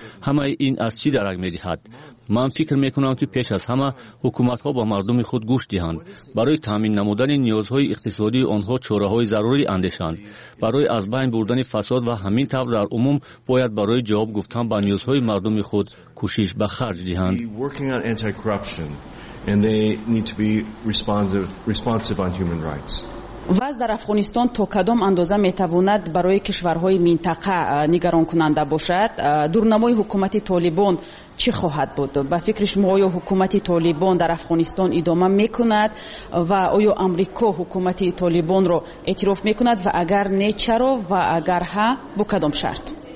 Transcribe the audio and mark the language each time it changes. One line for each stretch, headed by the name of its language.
Tajik: همه این از چی درک می دهد؟ من فکر می کنم که پیش از همه حکومت ها با مردم خود گوش دهند، برای تامین نمودن نیازهای اقتصادی آنها چاره های ضروری اندیشند. برای از بین بردن فساد و همین طور در عموم باید برای جواب گفتن به نیازهای مردم خود کوشش به خرج دهند.
English: and they need to be responsive on human rights.
Tajik: وضع در افغانستان تا کدام اندازه میتواند برای کشورهای منطقه نگران کننده باشد؟ دورنمای حکومت طالبان چی خواهد بود؟ به فکر شما آیا حکومت طالبان در افغانستان ادامه میکند و آیا امریکا حکومت طالبان را اعتراف میکند و اگر نه چرا و اگر ها با کدام شرط؟